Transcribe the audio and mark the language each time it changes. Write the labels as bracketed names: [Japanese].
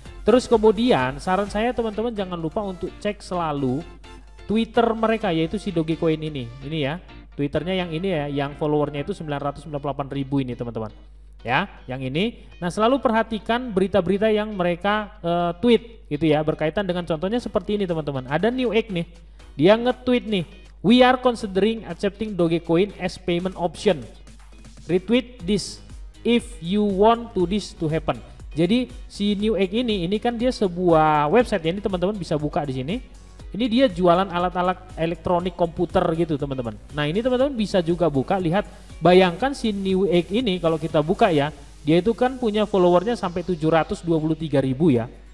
[Indonesian] Terus kemudian saran saya teman-teman jangan lupa untuk cek selalu Twitter mereka, yaitu si Dogecoin ini. Ini ya, Twitternya yang ini ya, yang followernya itu 998 ribu ini teman-teman. Ya, yang ini. Nah, selalu perhatikan berita-berita yang mereka tweet gitu ya, berkaitan dengan contohnya seperti ini teman-teman. Ada New Egg nih. Dia nge-tweet nih, [English] "We are considering accepting Dogecoin as payment option. Retweet this if you want to this to happen." [Indonesian] Jadi, si New Egg ini kan dia sebuah website ya, ini teman-teman bisa buka di sini. Ini dia jualan alat-alat elektronik komputer gitu teman-teman. Nah, ini teman-teman bisa juga buka, lihat, bayangkan si New Egg ini kalau kita buka ya, dia itu kan punya followernya sampai 723 ribu ya.